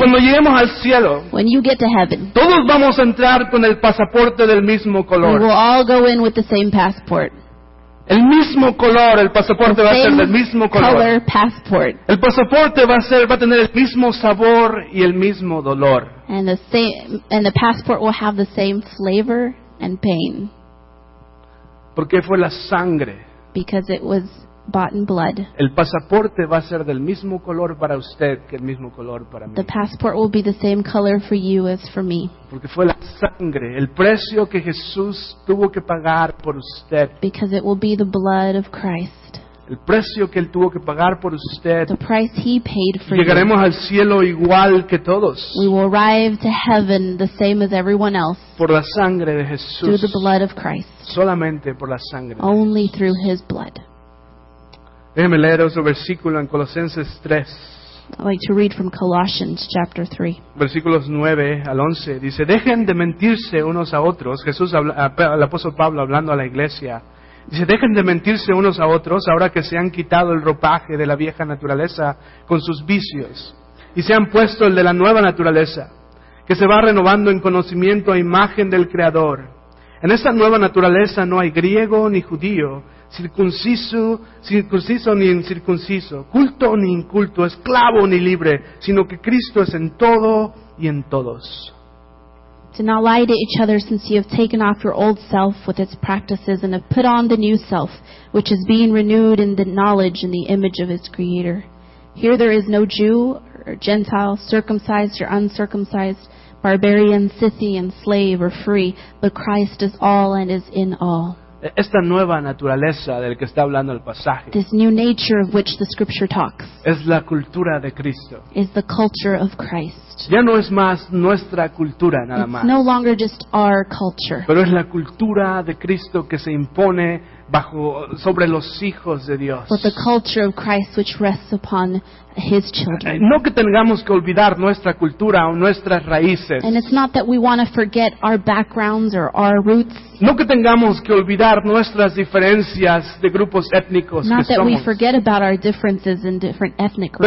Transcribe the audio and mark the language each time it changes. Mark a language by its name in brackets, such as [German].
[Spanish] Cuando lleguemos al cielo. [English] When you get to heaven. [Spanish] Todos vamos a entrar con el pasaporte del mismo color. [English] We'll all go in with the same passport. [Spanish] El mismo color, el pasaporte va a ser del mismo color. [English] Passport. [Spanish] El pasaporte va a tener el mismo sabor y el mismo dolor. [English] And the passport will have the same flavor and pain. [Spanish] Porque fue la sangre. [English] Because it was bought in blood. [Spanish] El pasaporte va a ser del mismo color para usted que el mismo color para mí. [English] The passport will be the same color for you as for me. [Spanish] Porque fue la sangre, el precio que Jesús tuvo que pagar por usted. [English] Because it will be the blood of Christ. [Spanish] El precio que él tuvo que pagar por usted. [English] The price he paid for you. [Spanish] Llegaremos al cielo igual que todos. [English] We will arrive to heaven the same as everyone else. [Spanish] Por la sangre de Jesús. [English] Through the blood of Christ. [Spanish] Solamente por la sangre. [English] Only through his blood. [Spanish] Déjeme leer otro versículo en Colosenses 3. [English] I'd like to read from Colossians chapter 3. [Spanish] Versículos 9 al 11. Dice, dejen de mentirse unos a otros. Jesús, el apóstol Pablo hablando a la iglesia. Dice, dejen de mentirse unos a otros ahora que se han quitado el ropaje de la vieja naturaleza con sus vicios y se han puesto el de la nueva naturaleza, que se va renovando en conocimiento a imagen del Creador. En esta nueva naturaleza no hay griego ni judío, circunciso ni incircunciso, culto ni inculto, esclavo ni libre, sino que Cristo es en todo y en todos. [English] Do not lie to each other, since you have taken off your old self with its practices and have put on the new self, which is being renewed in the knowledge and the image of its Creator. Here there is no Jew or Gentile, circumcised or uncircumcised, barbarian, Scythian, slave or free, but Christ is all and is in all. [Spanish] Esta nueva naturaleza del que está hablando el pasaje, [English] this new nature of which the scripture talks, [Spanish] es la cultura de Cristo, [English] is the culture of Christ. [Spanish] Ya no es más nuestra cultura nada [English] it's [Spanish] más, [English] no longer just our culture, [Spanish] pero es la cultura de Cristo que se impone bajo, sobre los hijos de Dios, [English] but the culture of Christ which rests upon his children. [Spanish] No que tengamos que olvidar nuestra cultura o nuestras raíces, [English] and it's not that we want to forget our backgrounds or our roots. [Spanish] No que tengamos que olvidar nuestras diferencias de grupos étnicos, [English] not [Spanish] que [English] that [Spanish] somos. [English] We forget about our differences in different ethnic groups.